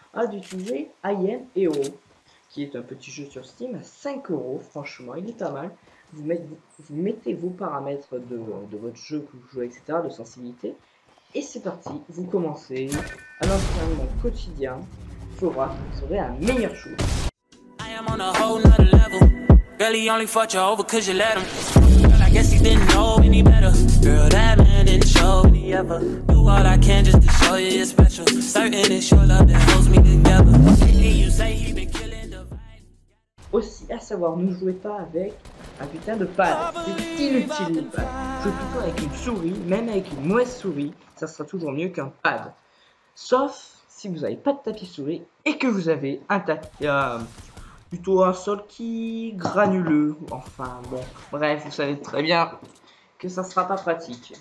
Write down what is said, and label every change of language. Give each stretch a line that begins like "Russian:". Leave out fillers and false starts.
French: D'utiliser IEM EO, qui est un petit jeu sur Steam à 5€, franchement, il est pas mal. Vous mettez vos paramètres de votre jeu que vous jouez, etc., de sensibilité. Et c'est parti, vous commencez. Un entraînement quotidien fera que vous aurez un meilleur shoot.
English: I am on a whole nother level. Girl, he only fought you over cause you let him. Girl, I guess he didn't know any better. Girl, that man didn't show any ever. Do all I can just to show you it's special. Certain it's your love that holds me together. Hey, you say he been killing the vibe.
French: Aussi, à savoir, ne jouez pas avec un putain de pad. C'est inutile le pad. Jouez plutôt avec une souris, même avec une mauvaise souris, ça sera toujours mieux qu'un pad. Sauf si vous n'avez pas de tapis souris et que vous avez un tapis. Plutôt un sol qui granuleux, enfin bon, bref, vous savez très bien que ça sera pas pratique.